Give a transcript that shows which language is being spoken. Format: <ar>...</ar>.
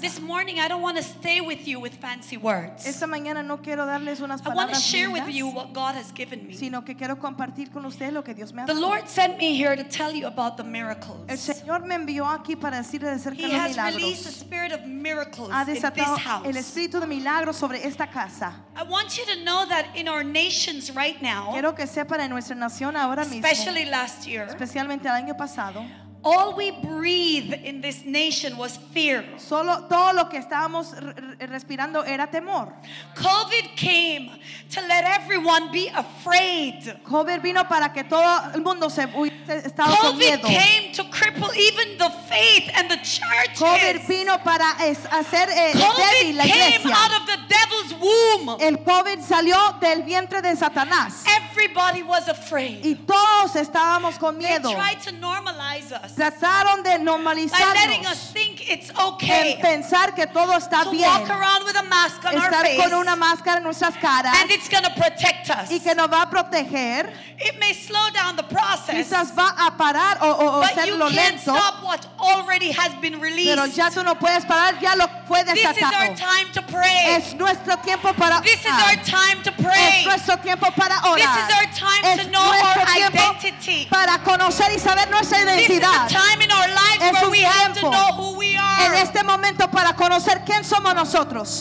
<en>This morning I don't want to stay with you with fancy words.</en> <es>Esta mañana no quiero darles unas palabras.</es> <en>I want to share with you what God has given me.</en> <es>Sino que quiero compartir con usted lo que Dios me ha dado.</es> <en>The Lord sent me here to tell you about the miracles.</en> <es>El Señor me envió aquí para decirle acerca de los</es> <en>milagros. He has released the spirit of miracles in this house.</en> <es>Ha desatado el espíritu de milagros sobre esta casa.</es> <en>I want you to know that in our nations right now.</en> <es>Quiero que sepan en nuestra nación ahora mismo.</es> <en>Especially last year.</en> <es>Especialmente el año pasado.</es> <en>All we breathe in this nation was fear.</en> <es>Solo todo lo que estábamos respirando era temor.</es> <en>COVID came to let everyone be afraid.</en> <es>COVID vino para que todo el mundo se estaba con miedo.</es> <en>COVID came to cripple even the faith and the churches.</en> <es>COVID vino para hacer débil la iglesia.</es> <en>COVID came out of the devil's womb.</en> <es>El COVID salió del vientre de Satanás.</es> <en>Everybody was afraid.</en> <es>Y todos estábamos con miedo.</es> <en>They tried to normalize us.</en> <es>Trataron de normalizarnos.</es> <en>By letting us think it's okay.</en> <es>En pensar que todo está bien.</es> <en>To walk around with a mask on</en> <es>estar</es> <en>our face.</en> <es>Con una máscara en nuestras caras.</es> <en>And it's going to protect us.</en> <es>Y que nos va a proteger.</es> <en>It may slow down the process.</en> <es>Quizás va a parar o hacerlo lento.</es> <en>But you can't stop what already has been released.</en> <es>Pero ya tú no puedes parar, ya lo fue desatado.</es> <en>This is our time to pray.</en> <es>Es nuestro tiempo para orar.</es> <en>This is our time to pray.</en> <es>Es nuestro tiempo para orar.</es> <en>This is our time to know our identity.</en> <es>Para conocer y saber nuestra identidad.</es> <en>A time in our lives where we have to know who we are.</en> <es>En este momento para conocer quién somos nosotros.</es>